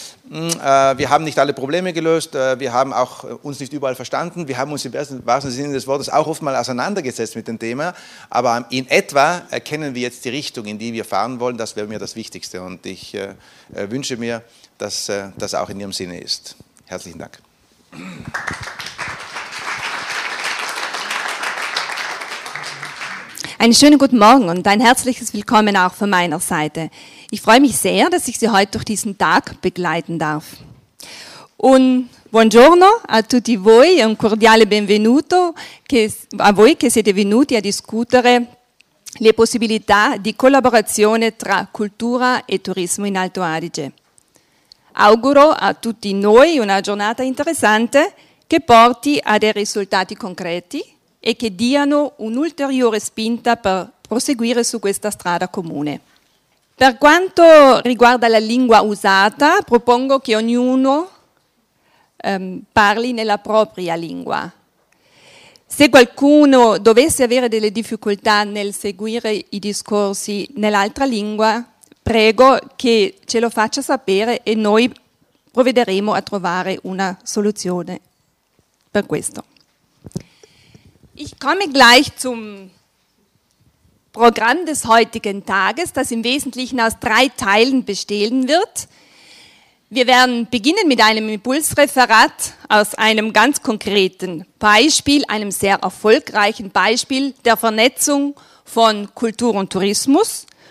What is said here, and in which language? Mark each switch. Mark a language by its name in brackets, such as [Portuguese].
[German] Wir haben nicht alle Probleme gelöst, wir haben auch uns nicht überall verstanden, wir haben uns im wahrsten Sinne des Wortes auch oft mal auseinandergesetzt mit dem Thema, aber in etwa erkennen wir jetzt die Richtung, in die wir fahren wollen, das wäre mir das Wichtigste und ich wünsche mir, dass das auch in Ihrem Sinne ist. Herzlichen Dank. Einen schönen guten Morgen und ein herzliches Willkommen auch von meiner Seite. Ich freue mich sehr, dass ich Sie heute durch diesen Tag begleiten darf. [Italian] Un buongiorno a tutti voi e un cordiale benvenuto a voi che siete venuti a discutere le possibilità di collaborazione tra cultura e turismo in Alto Adige. Auguro a tutti noi una giornata interessante che porti a dei risultati concreti e che diano un'ulteriore spinta per proseguire su questa strada comune. Per quanto riguarda la lingua usata, propongo che ognuno parli nella propria lingua. Se qualcuno dovesse avere delle difficoltà nel seguire i discorsi nell'altra lingua, prego che ce lo faccia sapere e noi provvederemo a trovare una soluzione per questo. [German] Ich komme gleich zum Programm des heutigen Tages, das im Wesentlichen aus drei Teilen bestehen wird. Wir werden beginnen mit einem Impulsreferat aus einem ganz konkreten Beispiel, einem sehr erfolgreichen Beispiel der Vernetzung von Kultur und Tourismus.